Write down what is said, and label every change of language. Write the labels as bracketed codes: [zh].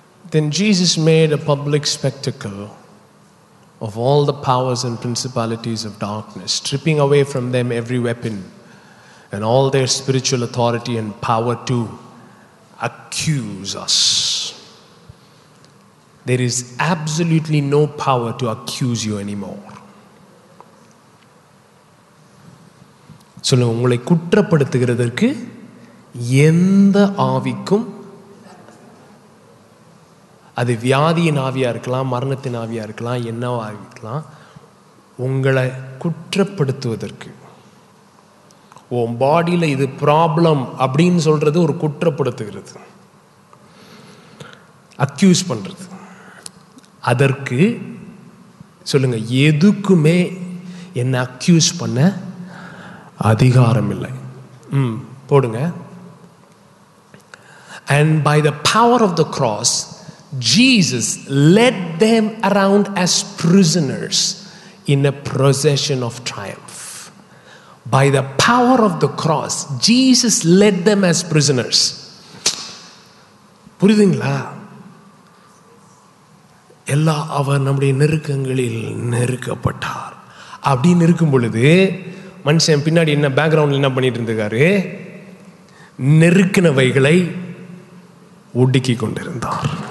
[en] Then Jesus made a public spectacle of all the powers and principalities of darkness, stripping away from them every weapon and all their spiritual authority and power to accuse us. There is absolutely no power to accuse you anymore. [ta] So, உங்களை குற்றப்படுத்துகிறதற்கு எந்த ஆவிக்கும், அது வியாதியின் ஆவியாக இருக்கலாம், மரணத்தின் ஆவியாக இருக்கலாம், என்னவாக இருக்கலாம், உங்களை குற்றப்படுத்துவதற்கு, உன் பாடியில் இது ப்ராப்ளம் அப்படின்னு சொல்கிறது ஒரு குற்றப்படுத்துகிறது, அக்யூஸ் பண்ணுறது, அதற்கு சொல்லுங்கள் எதுக்குமே என்னை அக்யூஸ் பண்ண அதிகாரம் இல்லை. ம், போடுங்க. [en] And by the power of the cross Jesus led them around as prisoners in a procession of triumph. By the power of the cross, Jesus led them as prisoners. [ta] புரியுதுங்களா? எல்லா அவர் நம்முடைய நெருக்கங்களில் நெருக்கப்பட்டார் அப்படின்னு இருக்கும் பொழுது மனுஷன் பின்னாடி என்ன பேக்ரவுண்ட்ல என்ன பண்ணிட்டு இருந்திருக்காரு? நெருக்கினவைகளை ஒடுக்கி கொண்டிருந்தார்.